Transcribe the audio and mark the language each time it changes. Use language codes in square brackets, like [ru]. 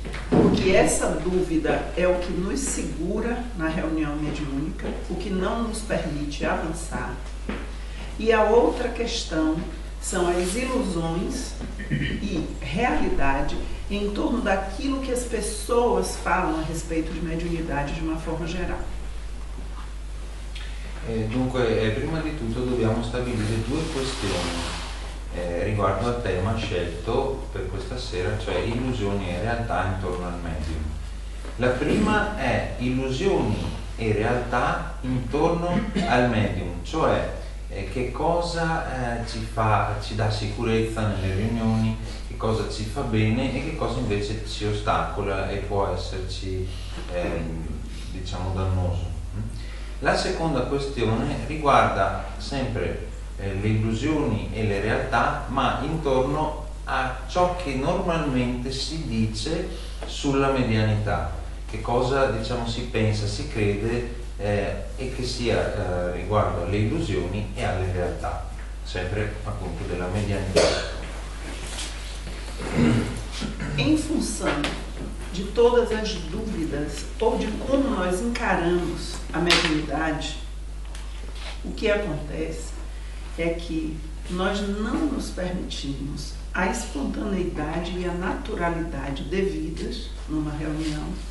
[pt] Porque essa dúvida é o que nos segura na reunião mediúnica, o que não nos permite avançar. E a outra questão são as ilusões e realidade em torno daquilo que as pessoas falam a respeito de mediunidade de uma forma geral. [it] Dunque, prima di tutto dobbiamo stabilire due questioni riguardo al tema scelto per questa sera, cioè illusioni e realtà intorno al medium. La prima è illusioni e realtà intorno al medium, cioè che cosa ci dà sicurezza nelle riunioni, che cosa ci fa bene e che cosa invece ci ostacola e può esserci diciamo dannoso. La seconda questione riguarda sempre le illusioni e le realtà, ma intorno a ciò che normalmente si dice sulla medianità, che cosa diciamo si pensa, si crede e che sia riguardo alle illusioni e alle realtà, sempre appunto della medianità. In funzione di [pt] todas as dúvidas ou [it] di come noi [pt] encaramos a medianità, o che acontece é que nós não nos permitimos a espontaneidade e a naturalidade devidas numa reunião